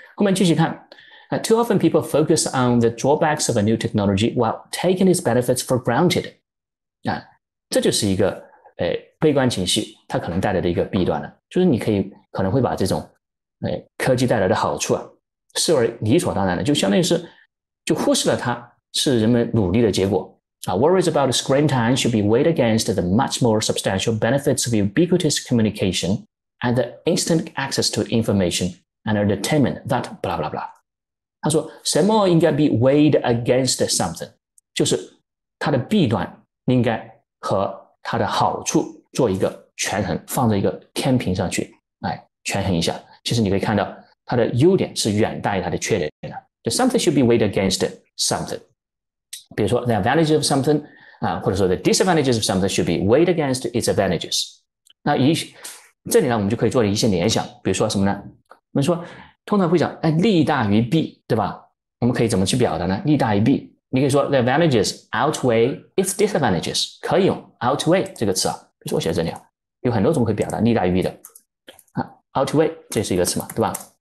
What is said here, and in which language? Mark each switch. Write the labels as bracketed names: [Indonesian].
[Chinese] 后面继续看， [English] Too often people focus on the drawbacks of a new technology while taking its benefits for granted。 [Chinese] 这就是一个悲观情绪，它可能带来的一个弊端了。就是你可能会把这种，科技带来的好处啊，视为理所当然的，就相当于是，就忽视了它是人们努力的结果啊。 [English] Worries about screen time should be weighed against the much more substantial benefits of ubiquitous communication and the instant access to information and entertainment that blah blah blah。 [Chinese] 他说什么应该 [English] be weighed against something， [Chinese] 就是它的弊端应该和它的好处做一个权衡，放在一个天平上去，权衡一下。其实你可以看到，它的优点是远大于它的缺点的。 [English] Something should be weighed against something。 [Chinese] 比如说， [English] the advantages of something [Chinese] 或者说 [English] the disadvantages of something should be weighed against its advantages。 [Chinese] 那这里呢，我们就可以做一些联想。比如说什么呢？我们说，通常会讲，利大于弊，对吧？我们可以怎么去表达呢？利大于弊，你可以说 [English] the advantages outweigh its disadvantages， [Chinese] 可以用 outweigh 这个词啊。比如说我写在这里啊。有很多种可以表达利大于弊的，outweigh 这是一个词嘛，对吧？